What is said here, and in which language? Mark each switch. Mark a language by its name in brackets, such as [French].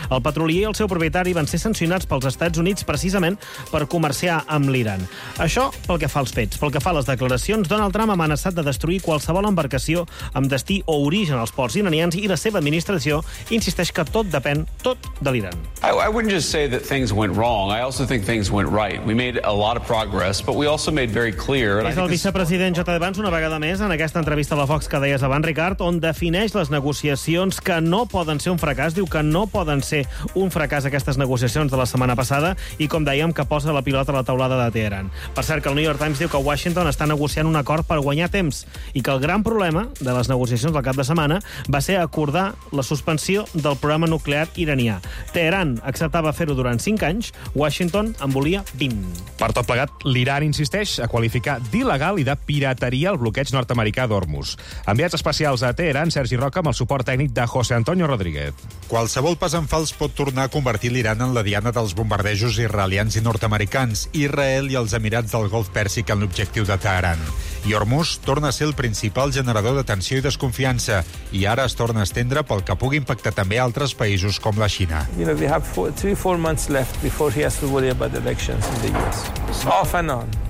[Catalan] El patruller i el seu propietari van ser sancionats pels Estats Units precisament per comerciar amb l'Iran. Això pel que fa als fets. Pel que fa a les declaracions, Donald Trump ha amenaçat de destruir qualsevol embarcació amb destí o origen als ports iranians i la seva administració insisteix que tot depèn tot de l'Iran. [English] I wouldn't just say that things went wrong. I also think things went right. We made a lot of progress, but we also made very clear... [Catalan] És el vicepresident J.D. Vance, una vegada més, en aquesta entrevista a la Fox que deies abans, Ricard, on defineix les negociacions que no poden ser un fracàs. Diu que no poden ser un fracàs aquestes negociacions de la setmana passada i, com dèiem, que posa la pilota a la teulada de Teheran. Per cert, que el New York Times diu que Washington està negociant un acord per guanyar temps i que el gran problema de les negociacions del cap de setmana va ser acordar la suspensió del programa nuclear iranià. Teheran acceptava fer-ho durant 5 anys, Washington en volia 20. Per tot plegat, l'Iran insisteix a qualificar d'il·legal i de pirateria el bloqueig nord-americà d'Hormuz. Enviats especials a Teheran, Sergi Roca, amb el suport tècnic de José Antonio Rodríguez. Qualsevol pas en fals pot tornar a convertir l'Iran en la diana dels bombardejos israelians i nord-americans, Israel i els Emirats del Golf Pèrsic en l'objectiu de Teheran. I Hormuz torna a ser el principal generador de tensió i desconfiança, i ara es torna a estendre pel que pugui impactar també altres països com la Xina. [English] You know, we have 3-4 months left before he has to worry about the elections in the US. Off and on.